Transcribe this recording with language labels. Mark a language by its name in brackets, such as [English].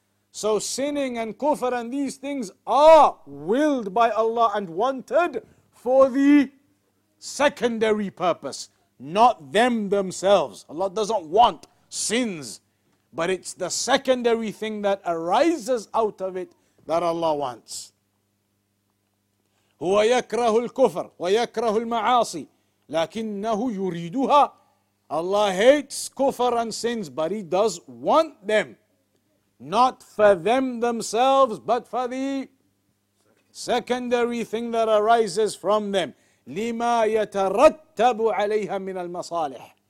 [English] So sinning and kufr and these things are willed by Allah and wanted for the secondary purpose, not them themselves. Allah doesn't want sins, but it's the secondary thing that arises out of it that Allah wants. [Arabic] هو يكره الكفر ويكره المعاصي لكنه يريدها. [English] Allah hates kufr and sins, but he does want them. Not for them themselves, but for the secondary thing that arises from them. [Arabic] لِمَا يَتَرَتَّبُ عَلَيْهَا مِنَ الْمَصَالِحِ.